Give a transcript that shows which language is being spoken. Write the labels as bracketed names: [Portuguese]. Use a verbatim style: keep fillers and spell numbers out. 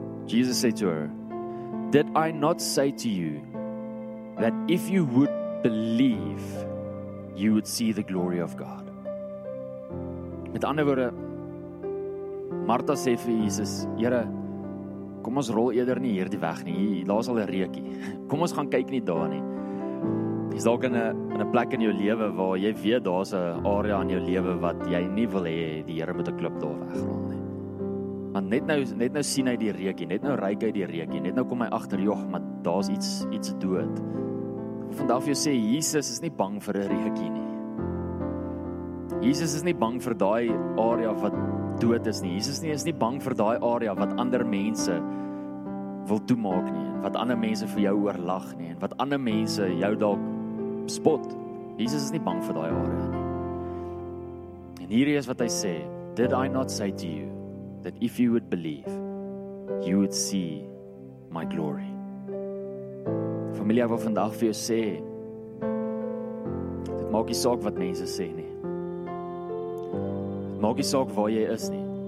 [English] Jesus said to her, did I not say to you, that if you would believe, you would see the glory of God? [Afrikaans] Met ander woorde, Martha sê vir Jesus, Here, kom ons rol eerder nie hierdie weg nie, daar is al 'n reukie. Kom ons gaan kyk nie daar nie. Jy's dalk in 'n in 'n plek in jou lewe waar jy weet daar's 'n area in jou lewe wat jy nie wil hê die Here moet 'n klip daar wegrol nie. Want net nou net nou sien hy die reukie, net nou ruik hy die reukie, net nou kom hy agter, "Jog, maar daar's iets iets dood." Vandag vir jou sê Jesus is nie bang vir 'n reukie nie. Jesus is nie bang vir daai area wat dood is nie. Jesus nie is nie bang vir daai area wat ander mense wil toemaak nie, wat ander mense vir jou oorlag nie, en wat ander mense jou dalk spot. Jesus is nie bang vir daai area nie. En hierdie is wat hy sê, [English] "Did I not say to you that if you would believe, you would see my glory?" [Afrikaans] Familie, ek wil vandag vir jou sê, dit maak nie saak wat mense sê nie. Maak nie saak waar jy is nie.